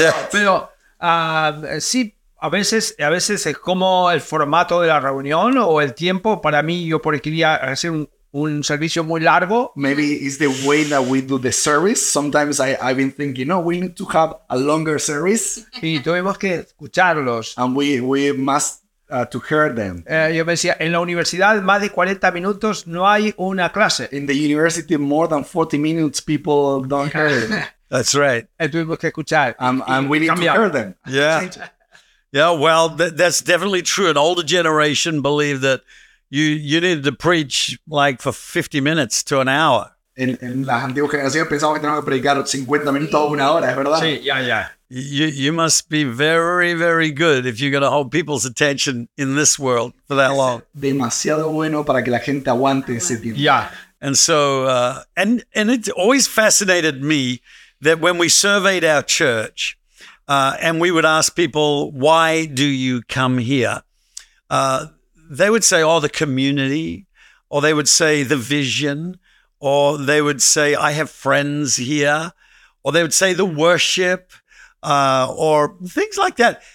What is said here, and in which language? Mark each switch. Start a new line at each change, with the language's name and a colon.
Spanish: Pero sí, a veces es como el formato de la reunión o el tiempo. Para mí, yo porque quería hacer un servicio muy largo.
English: Maybe it's the way that we do the service. Sometimes I've been thinking, no, we need to have a longer service.
Spanish: Y tuvimos que escucharlos.
English: And we must to hear them.
Spanish: Yo me decía, en la universidad más de 40 minutos no hay una clase.
English: In the university more than 40 minutes people don't hear it. That's right.
Spanish: Tuvimos que escuchar.
English: And we need to hear them. Yeah. Yeah, well, that's definitely true. An older generation believe that you needed to preach like for 50 minutes to an hour.
Spanish: En las antiguas generaciones pensamos que teníamos que predicar 50 minutos a una hora, ¿es verdad? Sí, ya.
English: You must be very, very good if you're going to hold people's attention in this world for that long.
Spanish: Demasiado bueno para que la gente aguante ese tiempo.
English: Yeah. And so, and it always fascinated me that when we surveyed our church and we would ask people, why do you come here? They would say, oh, the community, or they would say the vision, or they would say, I have friends here, or they would say the worship, or things like that.